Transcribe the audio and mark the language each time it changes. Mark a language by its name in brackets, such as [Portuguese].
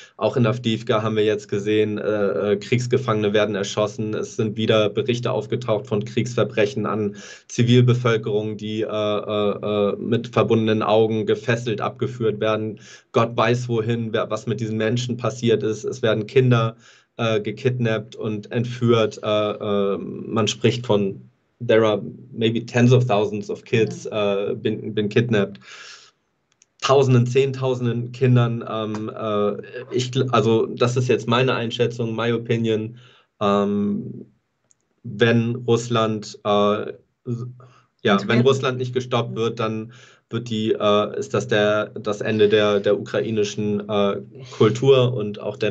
[German] Auch in Awdijiwka haben wir jetzt gesehen, Kriegsgefangene werden erschossen. Es sind wieder Berichte aufgetaucht von Kriegsverbrechen an Zivilbevölkerung, die mit verbundenen Augen gefesselt abgeführt werden. Gott weiß wohin, was mit diesen Menschen passiert ist. Es werden Kinder gekidnappt und entführt. Man spricht von [English] There are maybe tens of thousands of kids been kidnapped. [German] Tausenden, Zehntausenden Kindern. Also das ist jetzt meine Einschätzung, [English] my opinion. [German] Wenn Russland, ja, wenn Russland nicht gestoppt wird, dann wird ist das das Ende der ukrainischen Kultur und auch der